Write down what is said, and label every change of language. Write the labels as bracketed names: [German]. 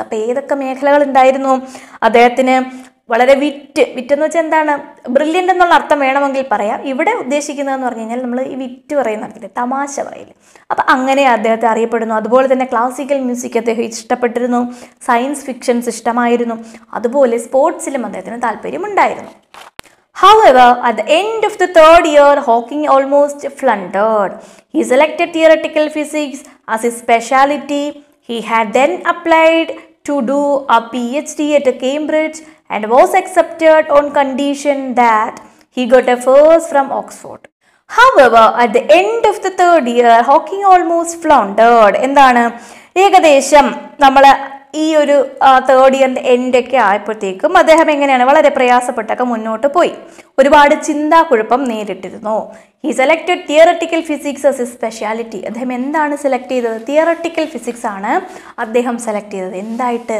[Malayalam] അപ്പോൾ ഏതൊക്കെ മേഖലകൾ ഉണ്ടായിരുന്നു അദ്ദേഹത്തിന്? വളരെ വിറ്റ്, വിറ്റ് എന്ന് വെച്ചാൽ എന്താണ്, ബ്രില്യൻ്റ് എന്നുള്ള അർത്ഥം വേണമെങ്കിൽ പറയാം. ഇവിടെ ഉദ്ദേശിക്കുന്നതെന്ന് പറഞ്ഞു കഴിഞ്ഞാൽ നമ്മൾ ഈ വിറ്റ് പറയുന്നില്ല, തമാശ പറയില്ല. അപ്പോൾ അങ്ങനെ അദ്ദേഹത്തെ അറിയപ്പെടുന്നു. അതുപോലെ തന്നെ ക്ലാസിക്കൽ മ്യൂസിക് അദ്ദേഹം ഇഷ്ടപ്പെട്ടിരുന്നു, സയൻസ് ഫിക്ഷൻസ് ഇഷ്ടമായിരുന്നു, അതുപോലെ സ്പോർട്സിലും അദ്ദേഹത്തിന് താല്പര്യമുണ്ടായിരുന്നു. [English] However, at the end of the third year, Hawking almost floundered. He selected theoretical physics as his speciality. He had then applied to do a PhD at Cambridge and was accepted on condition that he got a first from Oxford. However, at the end of the third year, Hawking almost floundered. [Malayalam] എന്താണ്? ഏകദേശം നമ്മൾ ഈ ഒരു third ഇയറിൻ്റെ എൻഡൊക്കെ ആയപ്പോഴത്തേക്കും അദ്ദേഹം എങ്ങനെയാണ്, വളരെ പ്രയാസപ്പെട്ടൊക്കെ മുന്നോട്ട് പോയി, ഒരുപാട് ചിന്താക്കുഴപ്പം നേരിട്ടിരുന്നു. [English] He selected theoretical physics as a speciality. [Malayalam] അദ്ദേഹം എന്താണ് സെലക്ട് ചെയ്തത്? തിയററ്റിക്കൽ ഫിസിക്സ് ആണ് അദ്ദേഹം സെലക്ട് ചെയ്തത്. എന്തായിട്ട്?